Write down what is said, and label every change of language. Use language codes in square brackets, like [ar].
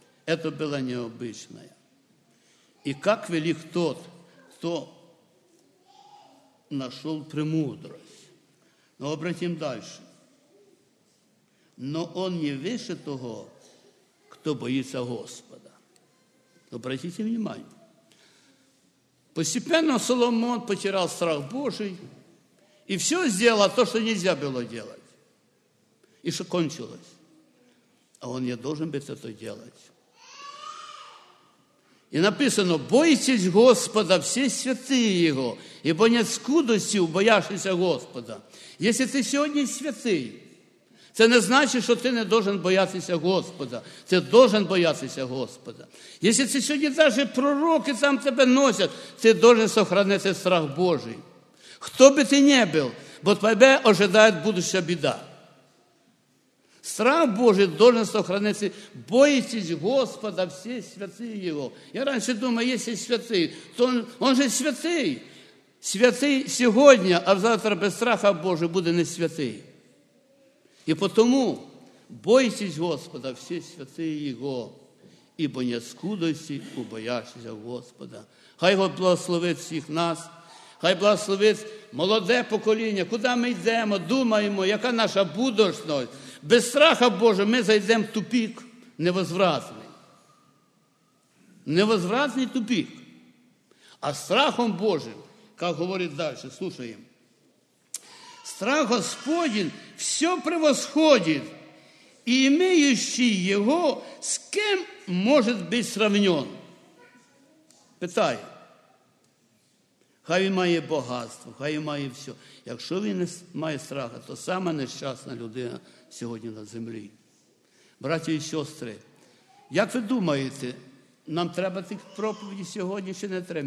[uk] Це була необична. І як велик тот, хто знайшов премудрость. Ну, обратимо далі. [ru] Но он не [uk] вище того, хто боїться Господа. [ru] Обратите внимание. Постепенно Соломон потерял страх Божий и все сделал то, что нельзя было делать. И что кончилось? А он не должен был это делать. И написано, бойтесь Господа, все святые Его, ибо нет скудости у боящихся Господа. Если ты сегодня святый, [uk] це не значить, що ти не должен боятися Господа. Ти должен боятися Господа. Якщо ти сьогодні навіть пророки там тебе носять, ти должен сохранити страх Божий. Хто би ти не був, бо тебе чекає будуща біда. Страх Божий должен сохранити. Боїтесь Господа, всі святі Його. Я раніше думав, якщо святий, то він же святий. Святий сьогодні, а завтра без страха Божого буде не святий. І тому бойтесь Господа, всі святі Його, ібо не скудості у боящихся Господа. Хай Бог благословить всіх нас, хай благословить молоде покоління, куди ми йдемо, думаємо, яка наша будущність. Без страха Божого ми зайдемо в тупик невозвратний. Невозвратний тупик. А страхом Божим, як говорить далі, слухаємо. [ru] Страх Господень все превосходит, и имеющий его, с кем может быть сравнен? [uk] Питаю. Хай він має багатство, хай він має все. Якщо він не має страха, то сама нещасна людина сьогодні на землі. Браті і сестри, як ви думаєте, нам треба тих проповіді сьогодні чи не треба?